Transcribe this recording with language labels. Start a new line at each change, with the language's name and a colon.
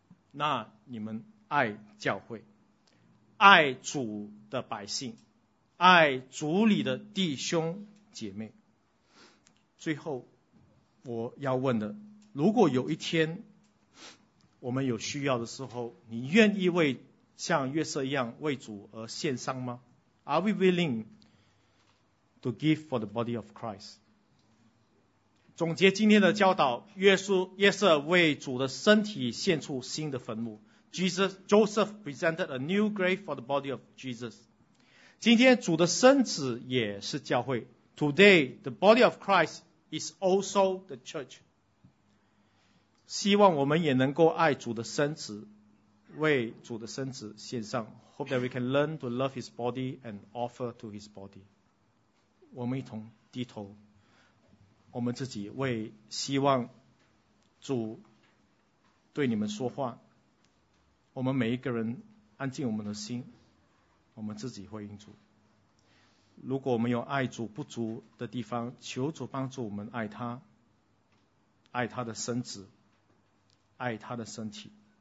Chinese: 那你们爱教会，爱主的百姓，爱主里的弟兄姐妹。最后我要问的，如果有一天我们有需要的时候，你愿意为像约瑟一样为主而献上吗？
English: Are we willing to give for the body of Christ?
Chinese: 总结今天的教导，约瑟为主的身体献出新的坟墓。
English: Joseph presented a new grave for the body of Jesus.
Chinese: 今天主的身子也是教会。
English: Today, the body of Christ is also the church.
Chinese: 希望我们也能够爱主的身子，为主的身子献上。
English: Hope that we can learn to love his body and offer to his body.
Chinese: 我们一同低头，我们自己为希望主对你们说话。我们每一个人安静我们的心，我们自己回应主。如果我们有爱主不足的地方，求主帮助我们爱他，爱他的身子，爱他的身体。